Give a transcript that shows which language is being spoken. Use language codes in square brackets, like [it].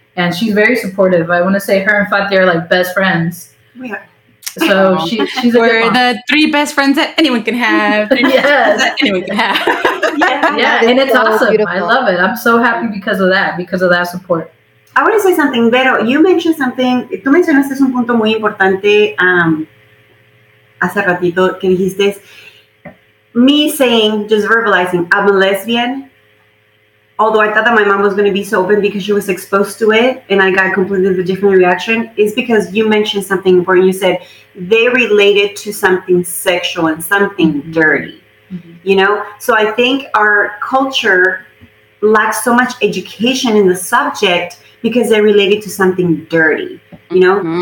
[en] And she's very supportive. I want to say her and Fatih are like best friends. So she's a good mom. The three best friends that anyone can have. Yeah, and it's so awesome. Beautiful. I love it. I'm so happy because of that support. I want to say something, Vero. You mentioned something. [es] Tú mencionaste un punto muy importante hace ratito que dijiste. [en] Me saying, just verbalizing, I'm a lesbian. Although I thought that my mom was going to be so open because she was exposed to it and I got completely a different reaction, is because you mentioned something important. You said they related to something sexual and something dirty, you know? So I think our culture lacks so much education in the subject because they related to something dirty, you know?